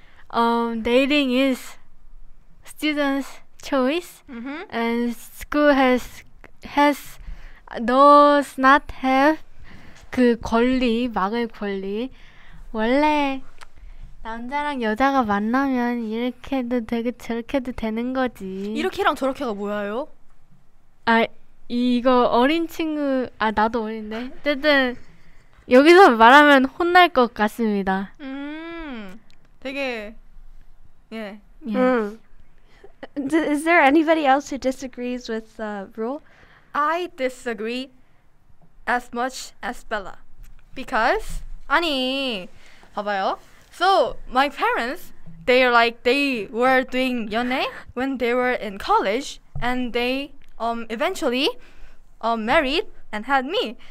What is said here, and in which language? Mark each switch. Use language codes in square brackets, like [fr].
[en] Dating is students' choice, and school has does not have [ko] 그 권리, 막을 권리. 원래 남자랑 여자가 만나면 이렇게 해도 되고 저렇게 해도 되는 거지. 이렇게랑 저렇게가 뭐예요? 아, 이거 어린 친구... 아, 나도 어린데? 어쨌든 여기서 말하면 혼날 것 같습니다. 되게... 예. [en] Yeah. Is there anybody else who disagrees with the rule? I disagree as much as Bella. Because... [ko] 아니... 봐봐요. [en] So, my parents, they are like, they were doing 연애 when they were in college and they eventually married and had me.